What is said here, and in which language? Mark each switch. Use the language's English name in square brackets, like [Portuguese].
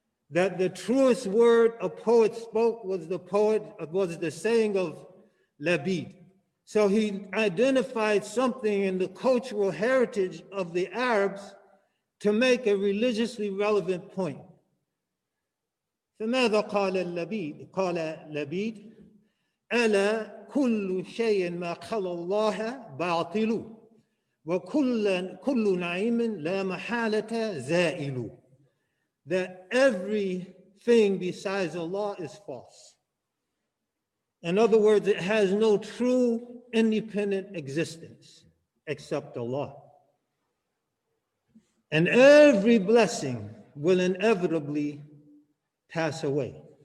[English] That the truest word a poet spoke was the saying of لبيد. So he identified something in the cultural heritage of the Arabs to make a religiously relevant point. [Arabic] فماذا قال لبيد؟ قال لبيد ألا كل شيء ما خلى الله باطل وكل نعيم لا محالة زائل. [English] That everything besides Allah is false. In other words, it has no true independent existence except Allah. And every blessing will inevitably pass away.